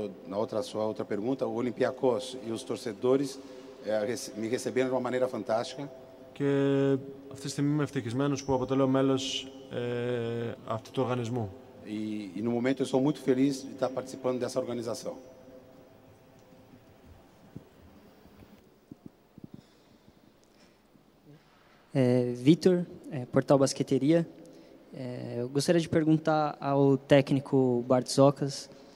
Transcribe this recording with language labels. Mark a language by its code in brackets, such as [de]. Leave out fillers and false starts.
[pt] Outra pergunta, o Olympiacos e os torcedores me receberam de uma maneira fantástica. [el] Και αυτή τη στιγμή είμαι ευτυχισμένος που αποτελώ μέλος αυτού του οργανισμού. [pt] E no momento eu sou muito feliz de estar participando dessa organização. Vitor, Portal Basqueteria. Eu gostaria de perguntar ao técnico Bartzokas